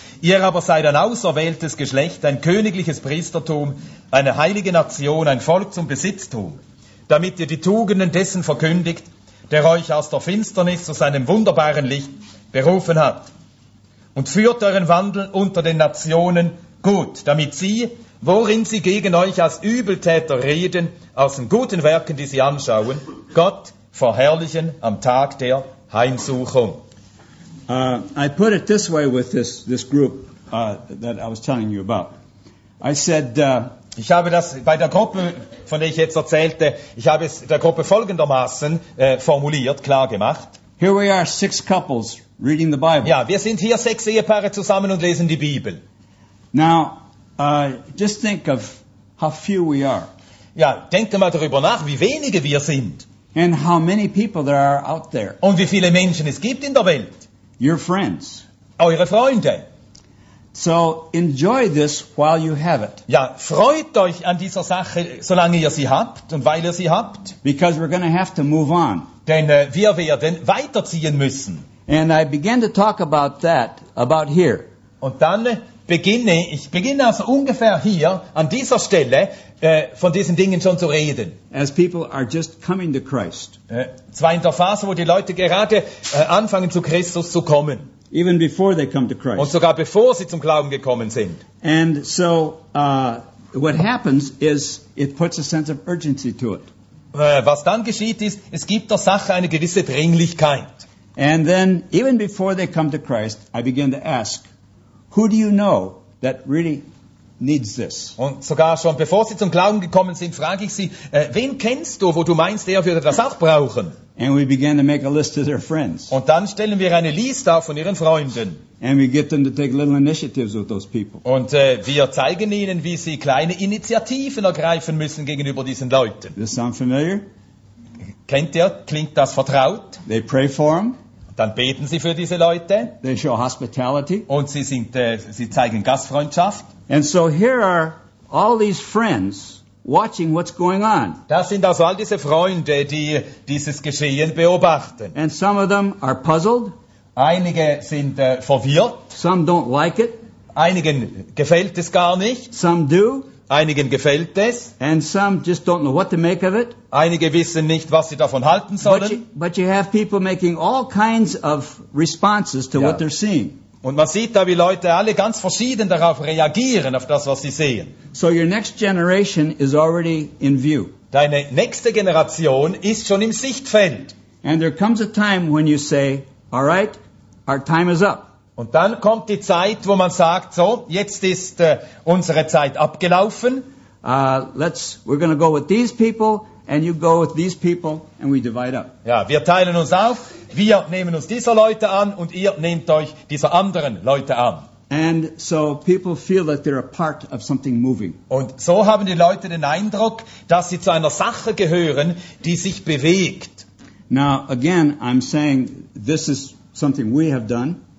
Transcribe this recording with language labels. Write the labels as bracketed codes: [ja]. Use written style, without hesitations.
[de] Ihr aber seid ein auserwähltes Geschlecht, ein königliches Priestertum, eine heilige Nation, ein Volk zum Besitztum, damit ihr die Tugenden dessen verkündigt, der euch aus der Finsternis zu seinem wunderbaren Licht berufen hat. Und führt euren Wandel unter den Nationen gut, damit sie, worin sie gegen euch als Übeltäter reden, aus den guten Werken, die sie anschauen, Gott verherrlichen am Tag der Heimsuchung. [en] I put it this way with this group that I was telling you about. I said, [de] ich habe das bei der Gruppe, von der ich jetzt erzählte, ich habe es der Gruppe folgendermaßen formuliert, klar gemacht. [en] Here we are, six couples reading the Bible. [de] Ja, wir sind hier sechs Ehepaare zusammen und lesen die Bibel. [en] Now, just think of how few we are. [de] Ja, denkt mal darüber nach, wie wenige wir sind. [en] And how many people there are out there. [de] Und wie viele Menschen es gibt in der Welt. [en] Your friends. [de] Eure Freunde. [en] So enjoy this while you have it. [de] Ja, freut euch an dieser Sache, solange ihr sie habt und weil ihr sie habt. [en] Because we're going to have to move on. [de] Denn wir werden weiterziehen müssen. [en] And I begin to talk about that, about here. [de] Und dann beginne also ungefähr hier, an dieser Stelle, von diesen Dingen schon zu reden. [en] As people are just coming to Christ. [de] Zwar in der Phase, wo die Leute gerade anfangen, zu Christus zu kommen. [en] Even before they come to Christ. [de] Und sogar bevor sie zum Glauben gekommen sind. [en] And so, what happens is, it puts a sense of urgency to it. [de] Was dann geschieht ist, es gibt der Sache eine gewisse Dringlichkeit. [en] And then, even before they come to Christ, I begin to ask, who do you know that really needs this? [de] Und sogar schon bevor sie zum Glauben gekommen sind, frage ich sie, wen kennst du, wo du meinst, der würde das auch brauchen? [en] And we begin to make a list of their friends. [de] Und dann stellen wir eine Liste auf von ihren Freunden. [en] And we get them to take little initiatives with those people. [de] Und wir zeigen ihnen, wie sie kleine Initiativen ergreifen müssen gegenüber diesen Leuten. [en] Does this sound familiar? [de] Kennt ihr, klingt das vertraut? [en] They pray for them. [de] Dann beten sie für diese Leute. [en] They show hospitality. [de] Und sie zeigen Gastfreundschaft. [en] And so here are all these friends watching what's going on. [de] Das sind also all diese Freunde, die dieses Geschehen beobachten. [en] And some of them are puzzled. [de] Einige sind verwirrt. [en] Some don't like it. [de] Einigen gefällt es gar nicht. [en] Some do. [de] Einigen gefällt es. [en] And some just don't know what to make of it. [de] Einige wissen nicht, was sie davon halten sollen. [en] But you have people making all kinds of responses to what they're seeing. [de] Und man sieht da, wie Leute alle ganz verschieden darauf reagieren, auf das, was sie sehen. [en] So your next generation is already in view. [de] Deine nächste Generation ist schon im Sichtfeld. [en] And there comes a time when you say, all right, our time is up. [de] Und dann kommt die Zeit, wo man sagt, so, jetzt ist unsere Zeit abgelaufen. [en] We're going to go with these people, and you go with these people, and we divide up. [de] Ja, wir teilen uns auf, wir nehmen uns dieser Leute an, und ihr nehmt euch dieser anderen Leute an. [en] And so people feel that they're a part of something moving. [de] Und so haben die Leute den Eindruck, dass sie zu einer Sache gehören, die sich bewegt. [en] Now, again, I'm saying, this is something we have done.